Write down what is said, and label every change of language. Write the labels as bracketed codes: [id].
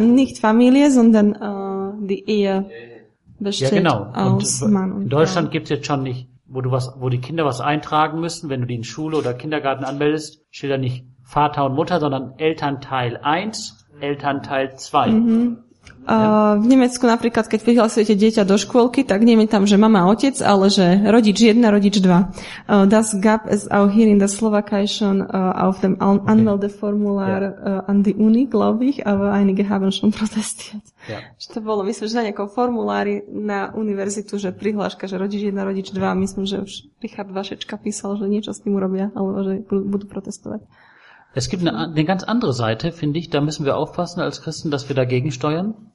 [de] Nicht Familie, sondern die Ehe besteht, ja, genau, und aus Mann und Frau. In Deutschland gibt es jetzt schon nicht, wo die Kinder was eintragen müssen, wenn du die in Schule oder Kindergarten anmeldest, steht da nicht Vater und Mutter, sondern Elternteil 1, Elternteil 2. Mhm. [sk] V Nemecku napríklad, keď prihlasujete dieťa do škôlky, tak nie je tam, že mama a otec, ale že rodič 1, rodič 2. [de] Das gab es auch hier in der Slowakei schon auf dem Anmeldeformular, okay. An die Uni, glaube ich, aber einige haben schon protestiert. Yeah. [sk] To bolo, myslím, že na nejakom formulári na univerzitu, že prihláška, že rodič 1, rodič 2, myslím, že už Richard Vašečka písal, že niečo s tým urobia, alebo že budú protestovať. [de] Es gibt eine ganz andere Seite, finde ich, da müssen wir aufpassen als Christen, dass wir dagegen steuern.